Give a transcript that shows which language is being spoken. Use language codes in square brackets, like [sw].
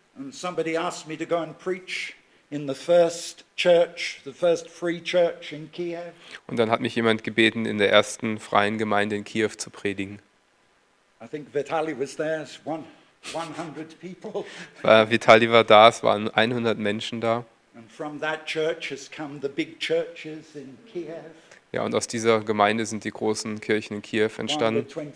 [en] somebody asked me to go and preach in the first church, the first free church in Kiev. [de] Und dann hat mich jemand gebeten, in der ersten freien Gemeinde in Kiew zu predigen. [en] I think Vitali was there, 100 people. [de] Vitali war da, es waren 100 Menschen da. [en] And from that church has come the big churches in Kiev. [de] Ja, und aus dieser Gemeinde sind die großen Kirchen in Kiew entstanden.